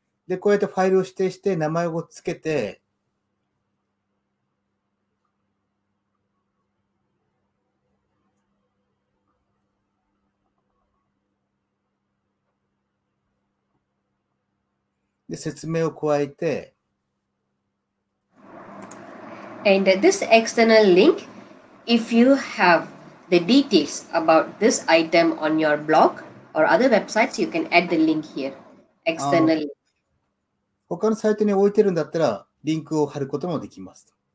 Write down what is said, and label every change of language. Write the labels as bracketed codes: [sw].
[ja] で、こうやってファイルを指定して名前をつけて、で、説明を加えて、 [en] And this external link, if you have the details about this item on your blog or other websites, you can add the link here. External link. [ja] 他のサイトに置いてるんだったら、リンクを貼ることもできます。